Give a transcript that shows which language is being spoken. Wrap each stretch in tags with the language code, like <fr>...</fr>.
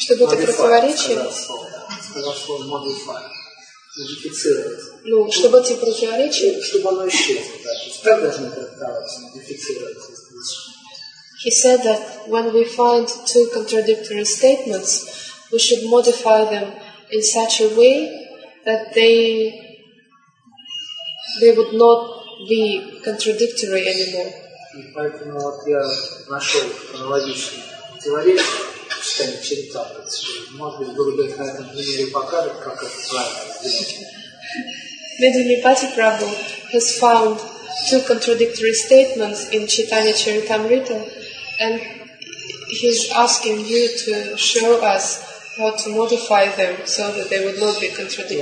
<ru>Чтобы это противоречие? Сказал слово modify, модифицировать. Ну, чтобы эти противоречия? Чтобы оно исчезло, да. То есть так должно трактоваться, модифицироваться.</ru> <en>He said that when we find two contradictory statements, we should modify them in such a way that they would not be contradictory anymore.</en> <ru>И поэтому вот я нашел аналогичное противоречие, читаем через таблицу. Может быть, Гуру Дев на этом примере покажет, как это правильно сделать.</ru> <en>Медхинипати Прабху has found two contradictory statements in Chaitanya Charitamrita, and he's asking you to show us how to modify them so that they would not be contradictory.</en>